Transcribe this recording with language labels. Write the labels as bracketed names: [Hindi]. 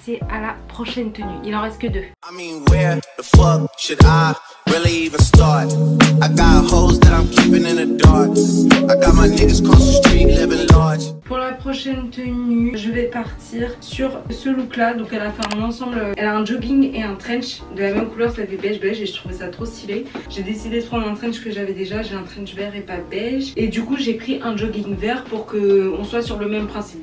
[French] À la prochaine tenue, il en reste que 2. [English] I mean, where the fuck should I really even start? I got hoes that I'm keeping in the dark. I got my niggas cross the street living large. [French] Pour la prochaine tenue, je vais partir sur ce look là. Donc elle a fait un ensemble, elle a un jogging et un trench de la même couleur, ça fait beige beige et je trouvais ça trop stylé. J'ai décidé de prendre un trench que j'avais déjà, j'ai un trench vert et pas beige. Et du coup j'ai pris un jogging vert pour qu'on soit sur le même principe.